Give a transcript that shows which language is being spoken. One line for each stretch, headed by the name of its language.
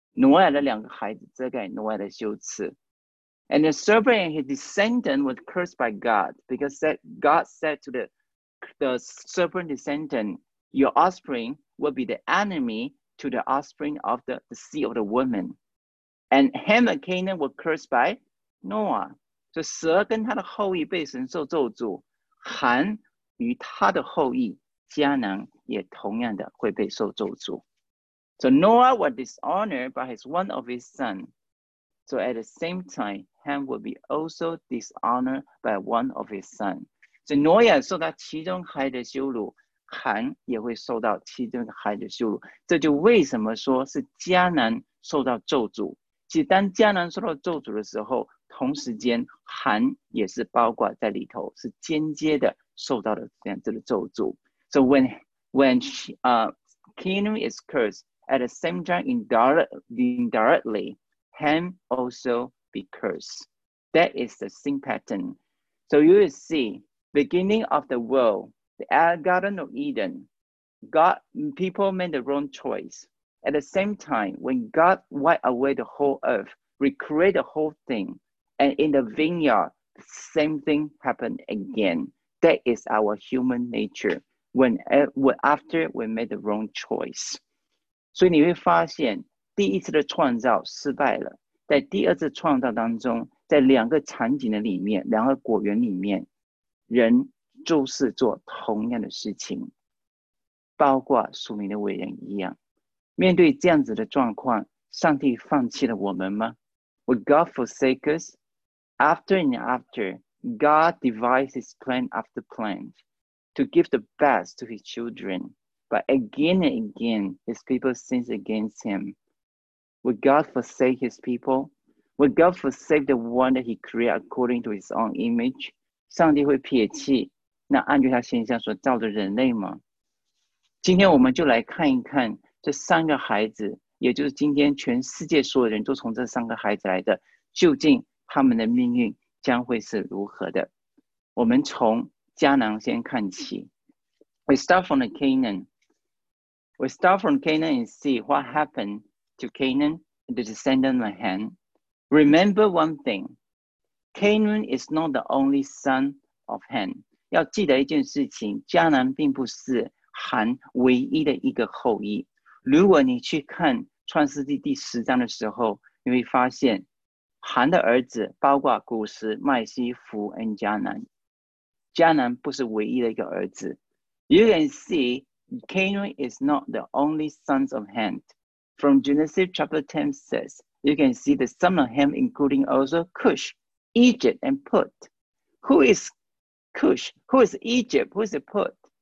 Chinese: 挪亚的两个孩子遮盖挪亚的羞耻。
English: And the serpent and his descendant was cursed by God, because God said to the serpent descendant, your offspring will be the enemy to the offspring of the seed of the woman. And Ham and Canaan were cursed by Noah.
Chinese: 所以蛇跟他的后裔被神受咒诅，韩与他的后裔迦南也同样的会被受咒诅。
English: So Noah was dishonored by his one of his sons. So at the same time, Ham will be also dishonored by one of his sons.
Chinese: 所以挪亚受到其中孩子的羞辱，韩也会受到其中孩子的羞辱。这就为什么说是迦南受到咒诅。其实当迦南受到咒诅的时候，同时间韩也是包括在里头，是间接的受到了这样子的咒诅。
English: So when Canaan is cursed at the same time indirectly, Ham also be cursed. That is the same pattern. So you will see. Beginning of the world, the Garden of Eden, people made the wrong choice. At the same time, when God wiped away the whole earth, recreate the whole thing, and in the vineyard, same thing happened again. That is our human nature. after we made the wrong choice.
Chinese: 所以你会发现第一次的创造失败了，在第二次创造当中，在两个场景的里面，两个果园里面，人就是做同样的事情，包括属灵的伟人一样。面对这样子的状况，上帝放弃了我们吗？
English: Would God forsake us? After and after, God devises plan after plan to give the best to his children. But again and again, his people sin against him. Would God forsake his people? Would God forsake the one that he created according to his own image?
Chinese: 上帝会撇弃那按照他形象所造的人类吗？今天我们就来看一看这三个孩子，也就是今天全世界所有人都从这三个孩子来的，究竟他们的命运将会是如何的。我们从迦南先看起。
English: We start from the Canaan. We start from Canaan and see what happened to Canaan and the descendant of Ham. Remember one thing. Canaan is not the only son of Ham.
Chinese: 要记得一件事情，迦南并不是含唯一的一个后裔。如果你去看创世纪第十章的时候，你会发现含的儿子包括古时麦西弗和迦南，迦南不是唯一的一个儿子。
English: You can see Canaan is not the only sons of Ham. From Genesis chapter 10 says, you can see the son of Ham including also Cush, Egypt and Put. Who is Cush? Who is Egypt? Who is Put?